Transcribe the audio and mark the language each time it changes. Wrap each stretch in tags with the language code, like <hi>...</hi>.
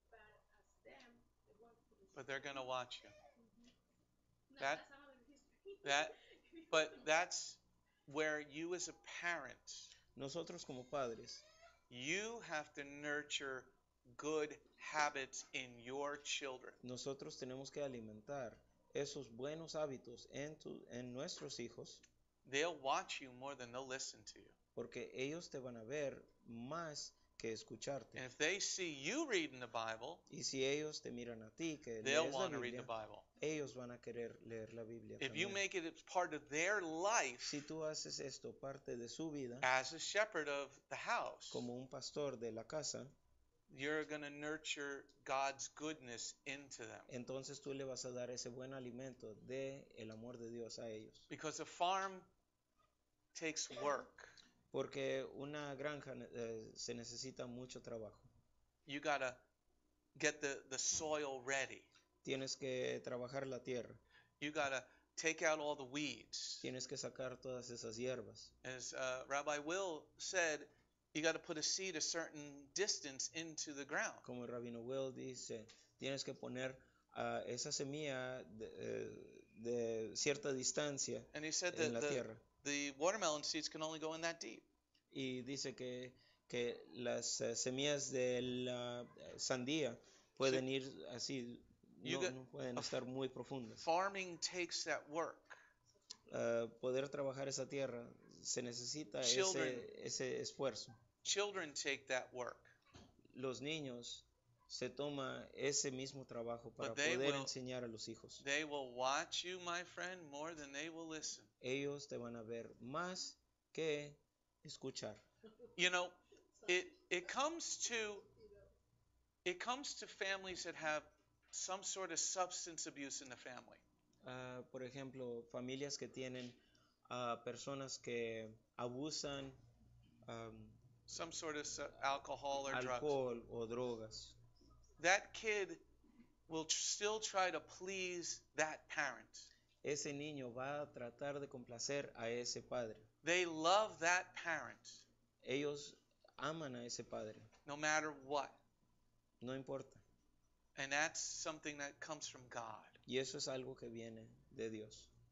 <en>But as them, they want for the strength. But they're going to watch you. Mm-hmm. That, no, that's another history. That, but that's where you as a parent.</en> <es>Nosotros como padres.</es> <en>You have to nurture good habits in your children.</en> <es>Nosotros tenemos que alimentar esos buenos hábitos en nuestros hijos.</es> <en>They'll watch you more than they'll listen to you.</en> <es>Porque ellos te van a ver más que escucharte.</es> <en>And if they see you reading the Bible,</en> <es>y si ellos te miran a ti que lees la Biblia,</es> <en>read the Bible.</en> <es>Ellos van a querer leer la Biblia</es> <en>if</en> <es>también.</es> <en>You make it part of their life,</en> <es>si tú haces esto parte de su vida,</es> <en>as a shepherd of the house,</en> <es>como un pastor de la casa,</es> <en>you're going to nurture God's goodness into them.</en> <es>Entonces tú le vas a dar ese buen alimento de el amor de Dios a ellos.</es> <en>Because a farm takes work.</en> <es>Porque una granja se necesita mucho trabajo.</es> <en>You gotta get the soil ready.</en> <es>Tienes que trabajar la tierra.</es> <en>You gotta take out all the weeds.</en> <es>Tienes que sacar todas esas hierbas.</es> <en>As Rabbi Will said, you gotta put a seed a certain distance into the ground.</en> <es>Como el Rabino Will dice, tienes que poner esa semilla de cierta distancia en la tierra.</es> <en>And he said that the watermelon seeds can only go in that deep.</en> <es>Y dice que las semillas de la sandía pueden ir así, no pueden estar muy profundas.</es> <en>Farming takes that work.</en> <es>Poder trabajar esa tierra se necesita ese esfuerzo.</es> <en>Children take that work.</en> <es>Los niños se toma ese mismo trabajo para poder enseñar a los hijos.</es> <en>They will watch you, my friend, more than they will listen.</en> <es>Ellos te van a ver más que escuchar.</es> <en>You know, it comes to families that have some sort of substance abuse in the family.</en> <es>Por ejemplo, familias que tienen personas que abusan</es> <en>some sort of alcohol or drugs.</en> <es>Alcohol o drogas.</es> <en>That kid will still try to please that parent.</en> <es>Ese niño va a tratar de complacer a ese padre.</es> <en>They love that parent.</en> <es>Ellos aman a ese padre.</es> <en>No matter what.</en> <es>No importa.</es> <en>And that's something that comes from God.</en> <es>Y eso es algo que viene de Dios.</es>